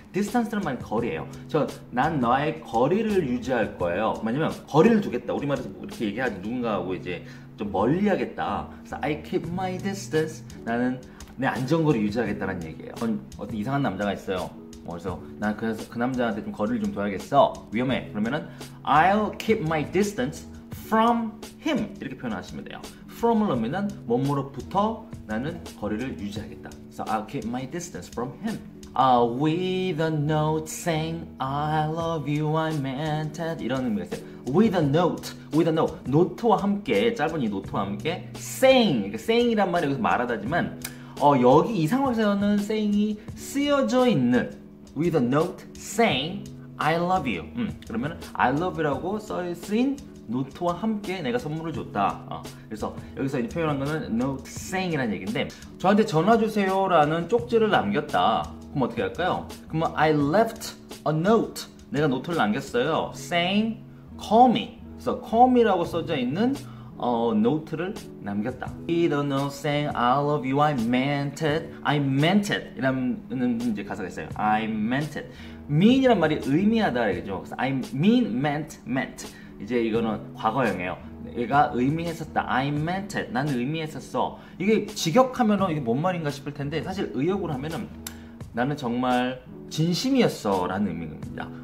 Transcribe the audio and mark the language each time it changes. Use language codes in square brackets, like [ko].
[ko] Distance라는 말은 거리예요. 난 너의 거리를 유지할 거예요. 왜냐면 거리를 두겠다. 우리말에서 이렇게 얘기하지. 누군가하고 이제 좀 멀리 하겠다. [en] So I keep my distance. [ko] 나는 내 안전거리 유지하겠다는 얘기예요. 어떤 이상한 남자가 있어요. 그래서 난 그래서 그 남자한테 좀 거리를 좀 둬야겠어. 위험해. 그러면은 [en] I'll keep my distance from him. [ko] 이렇게 표현하시면 돼요. From을 넣으면은 뭐뭐로부터 나는 거리를 유지하겠다. [en] So I'll keep my distance from him. With a note saying I love you, I meant it. [ko] 이런 의미가 있어요. [en] With a note, with a note. [ko] 노트와 함께, 짧은 이 노트와 함께 saying. 그러니까 saying이란 말이 여기서 말하다지만 여기 이 상황에서는 saying이 쓰여져 있는 [en] with a note saying I love you. [ko] 그러면 [en] I love you [ko] 라고 써있인 노트와 함께 내가 선물을 줬다. 그래서 여기서 이제 표현한 거는 note saying이라는 얘기인데 저한테 전화 주세요 라는 쪽지를 남겼다. 그럼 어떻게 할까요? 그러면 [en] I left a note. [ko] 내가 노트를 남겼어요. [en] saying call me. [ko] 그래서 [en] call me [ko] 라고 써져 있는 노트를 남겼다. [en] With a note saying I love you, I meant it. I meant it. [ko] 이라는 이제 가사가 있어요. [en] I meant it. [ko] mean이란 말이 의미하다 얘기죠. [en] I mean, meant, meant. [ko] 이제 이거는 과거형이에요. 얘가 의미했었다. [en] I meant it. [ko] 난 의미했었어. 이게 직역하면 이게 뭔 말인가 싶을 텐데 사실 의역으로 하면은 나는 정말 진심이었어 라는 의미입니다.